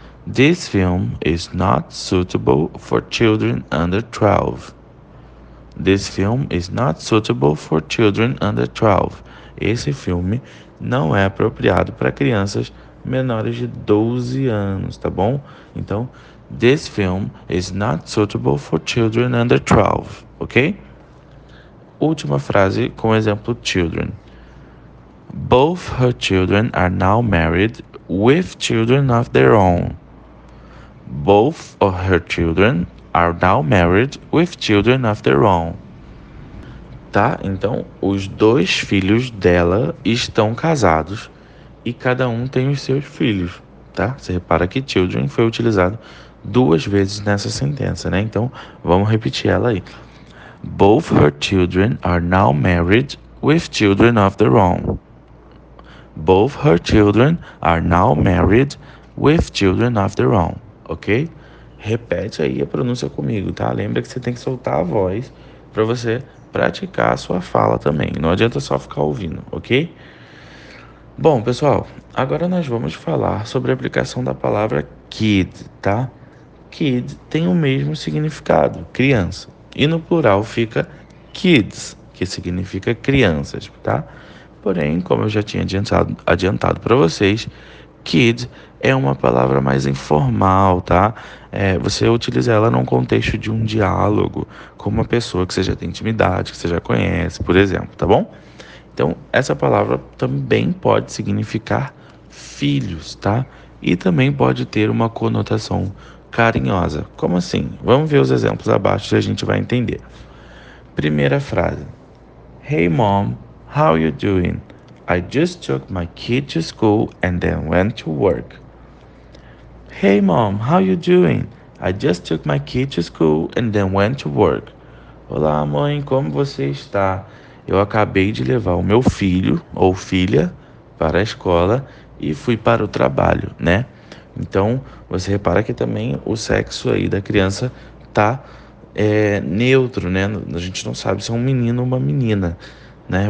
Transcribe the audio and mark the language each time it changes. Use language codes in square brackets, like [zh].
[en] This film is not suitable for children under 12. This film is not suitable for children under 12. [pt] Esse filme não é apropriado para crianças menores de 12 anos, tá bom? Então, [en] this film is not suitable for children under 12, ok? [pt] Última frase com exemplo [en] children. Both her children are now married with children of their own. Both of her children are now married with children of their own. [pt] Tá? Então, os dois filhos dela estão casados e cada um tem os seus filhos, tá? Você repara que children foi utilizado duas vezes nessa sentença, né? Então, vamos repetir ela aí. [en] Both her children are now married with children of their own. Both her children are now married with children of their own, ok? [pt] Repete aí a pronúncia comigo, tá? Lembra que você tem que soltar a voz para você praticar a sua fala também. Não adianta só ficar ouvindo, ok? Bom, pessoal, agora nós vamos falar sobre a aplicação da palavra kid, tá? Kid tem o mesmo significado, criança. E no plural fica kids, que significa crianças, tá? Porém, como eu já tinha adiantado para vocês, kid é uma palavra mais informal, tá? É, você utiliza ela num contexto de um diálogo com uma pessoa que você já tem intimidade, que você já conhece, por exemplo, tá bom? Então, essa palavra também pode significar filhos, tá? E também pode ter uma conotação carinhosa. Como assim? Vamos ver os exemplos abaixo e a gente vai entender. Primeira frase. [en] Hey mom, how you doing? I just took my kid to school and then went to work. Hey mom, how you doing? I just took my kid to school and then went to work. [pt] Olá, mãe, como você está? Eu acabei de levar o meu filho ou filha para a escola e fui para o trabalho, né? Então, você repara que também o sexo aí da criança tá neutro, né? A gente não sabe se é um menino ou uma menina, né?